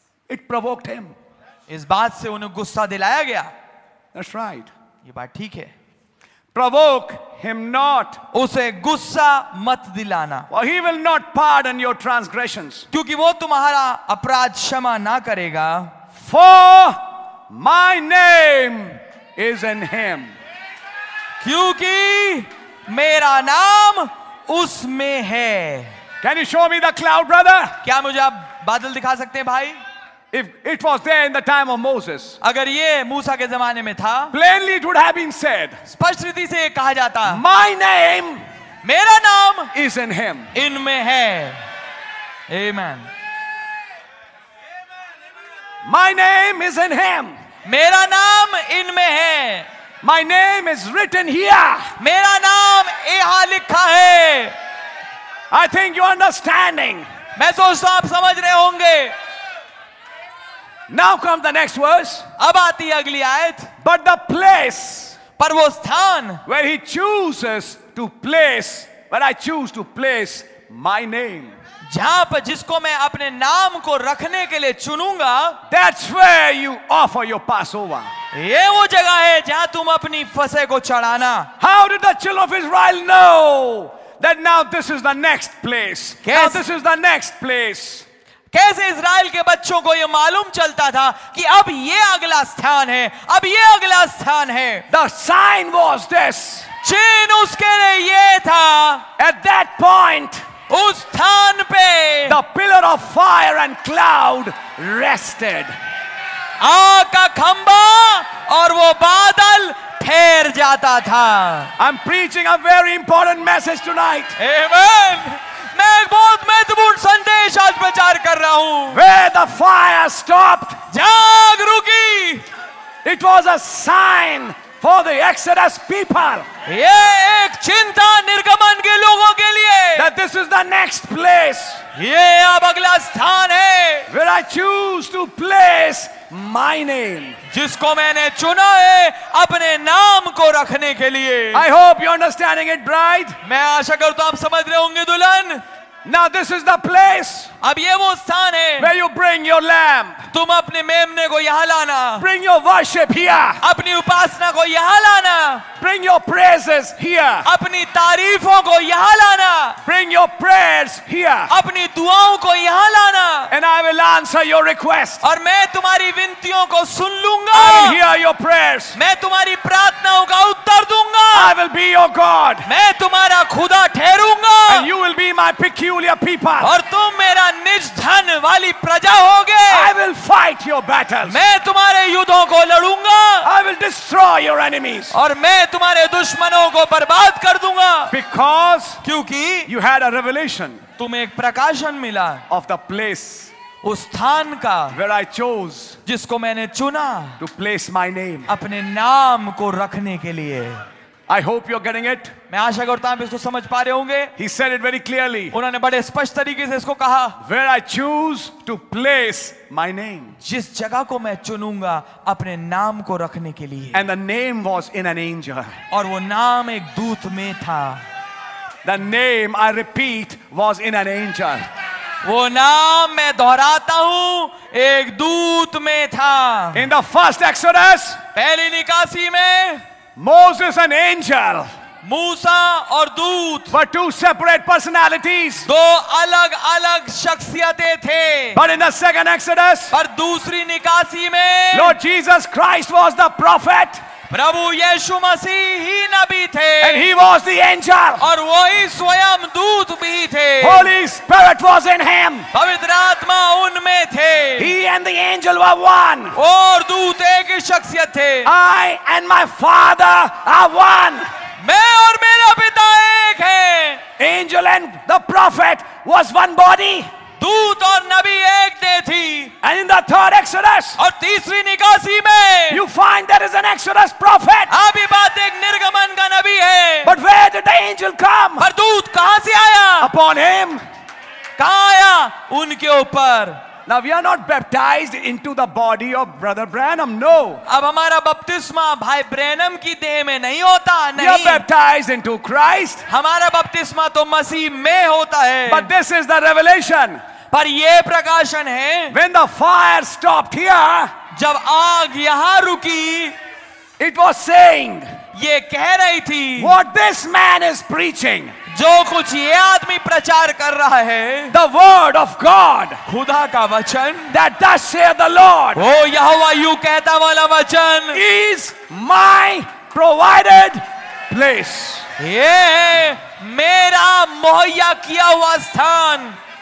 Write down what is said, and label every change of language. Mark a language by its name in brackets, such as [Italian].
[English] It provoked him. [Hindi] इस बात से उन्हें गुस्सा दिलाया गया. [English] That's right. [Hindi] ये बात ठीक है. [English] Provoke him not. [Hindi] उसे गुस्सा मत दिलाना. [English] For he will not pardon your transgressions. [Hindi] क्योंकि वो तुम्हारा अपराध क्षमा ना करेगा. [English] For My name is in him. [Hindi] क्योंकि मेरा नाम उसमें है. [English] Can you show me the cloud, brother? [Hindi] क्या मुझे आप बादल दिखा सकते हैं भाई? [English] If it was there in the time of Moses, [Hindi] अगर ये मूसा के जमाने में था, [English] plainly it would have been said. [Hindi] स्पष्ट रीति से कहा जाता. [English] My name, [Hindi] मेरा नाम [English] is in him. [Hindi] इनमें है. Amen. [English] My name is in him. [Hindi] मेरा नाम इनमें है. [English] My name is written here. [Hindi] मेरा नाम यहां लिखा है. [English] I think you're understanding. [Hindi] मैं सोचता हूं आप समझ रहे होंगे. [English] Now comes the next verse. [Hindi] अब आती अगली आयत. [English] But the place, [Hindi] पर वो स्थान, [English] where he chooses to place, where I choose to place my name. [Hindi] जहां पर जिसको मैं अपने नाम को रखने के लिए चुनूंगा. [English] That's where you offer your Passover. [Hindi] ये वो जगह है जहां तुम अपनी फसह को चढ़ाना. [English] How did the children of Israel know that now this is the next place? Now this is the next place. [Hindi] कैसे इसराइल के बच्चों को यह मालूम चलता था कि अब ये अगला स्थान है, अब ये अगला स्थान है. [English] The sign was this. [Hindi] चिन्ह उसके लिए ये था. [English] At that point, [Hindi] उस स्थान पे [English] The pillar of fire and cloud rested. [Hindi] आग का खंबा और वो बादल ठहर जाता था. [English] I am preaching a very important message tonight. [Hindi] आमेन. मैं एक बहुत महत्वपूर्ण संदेश आज प्रचार कर रहा हूं. [English] Where the fire stopped. [Hindi] आग रुकी. [English] It was a sign for the Exodus people. [Hindi] ये एक चिंता निर्गमन के लोगों के लिए. [English] That this is the next place. [Hindi] ये अब अगला स्थान है. [English] Where I choose to place my name. [Hindi] जिसको मैंने चुना है अपने नाम को रखने के लिए. [English] I hope you're understanding it, bride. [Hindi] मैं आशा करता हूँ आप समझ रहे होंगे दुल्हन. [English] Now this is the place. [Hindi] अब ये वो स्थान है. [English] Where you bring your lamb. [Hindi] तुम अपने मेमने को यहाँ लाना. [English] Bring your worship here. [Hindi] अपनी उपासना को यहाँ लाना. [English] Bring your praises here. [Hindi] अपनी तारीफों को यहाँ लाना. [English] Bring your prayers here. [Hindi] अपनी दुआओं को यहाँ लाना. [English] And I will answer your request. [Hindi] और मैं तुम्हारी विनतियों को सुन लूंगा. [English] I will hear your prayers. [Hindi] मैं तुम्हारी प्रार्थनाओं का उत्तर दूंगा. [English] I will be your God. [Hindi] मैं तुम्हारा खुदा ठहरूंगा. [English] And you will be my peculiar people. [Hindi] और तुम मेरा निज धन वाली प्रजा होगे. [English] I will fight your battles. [Hindi] मैं तुम्हारे युद्धों को लड़ूंगा. [English] I will destroy your enemies. [Hindi] और मैं तुम्हारे दुश्मनों को बर्बाद कर दूंगा. [English] because [Hindi] क्योंकि [English] You had a revelation. [Hindi] तुम्हें एक प्रकाशन मिला [English] Of the place. [Hindi] उस स्थान का. [English] Where I chose. [Hindi] जिसको मैंने चुना. [English] To place my name. [Hindi] अपने नाम को रखने के लिए. [English] I hope you're getting it. [Hindi] मैं आशा करता हूँ इसको समझ पा रहे होंगे. [English] He said it very clearly. [Hindi] उन्होंने बड़े स्पष्ट तरीके से इसको कहा. [English] Where I choose to place my name. [Hindi] जिस जगह को मैं चुनूंगा अपने नाम को रखने के लिए. [English] And the name was in an angel. [Hindi] और वो नाम एक दूत में था. [English] The name, I repeat, was in an angel. [Hindi] वो नाम मैं दोहराता हूँ एक दूत में था. [English] In the first Exodus. [Hindi] पहली निकासी में. [English] Moses and angel. [Hindi] Musa और दूत. [English] But two separate personalities. [Hindi] दो अलग अलग शख्सियतें थे. [English] But in the second Exodus. [Hindi] पर दूसरी निकासी में. [English] Lord Jesus Christ was the prophet. [Hindi] प्रभु यीशु मसीह ही नबी थे. [English] And he was the angel. [Hindi] और वो ही स्वयं दूत भी थे. [English] Holy Spirit was in him. [Hindi] पवित्र आत्मा उनमें थे. [English] He and the angel were one. [Hindi] और दूत एक ही शख्सियत थे. [English] I and my father are one. [Hindi] मैं और मेरा पिता एक है. [English] Angel and the prophet was one body. [Hindi] दूत और नबी एक दे थी. [English] And in the third Exodus. [Hindi] और तीसरी निकासी में. [English] You find there is an Exodus prophet. [Hindi] अभी बात एक निर्गमन का नबी है. [English] But where did the angel come? [Hindi] पर दूत कहां से आया? [English] Upon him. [Hindi] कहां आया? उनके ऊपर. [English] Now we are not baptized into the body of Brother Branham. No. [Hindi] अब हमारा बपतिस्मा भाई ब्रैनम की देह में नहीं होता. नहीं. [English] We are baptized into Christ. [Hindi] हमारा बपतिस्मा तो मसीह में होता है. [English] But this is the revelation. [Hindi] पर ये प्रकाशन है. [English] When the fire stopped here. [Hindi] जब आग यहाँ रुकी. [English] It was saying. [Hindi] ये कह रही थी. [English] What this man is preaching. [Hindi] जो कुछ ये आदमी प्रचार कर रहा है. [English] The word of God. [Hindi] खुदा का वचन. [English] That does say the Lord. [Hindi] O Jehovah you कहता वाला वचन. [English] Is my provided place. [Hindi] ये मेरा मुहैया किया हुआ स्थान.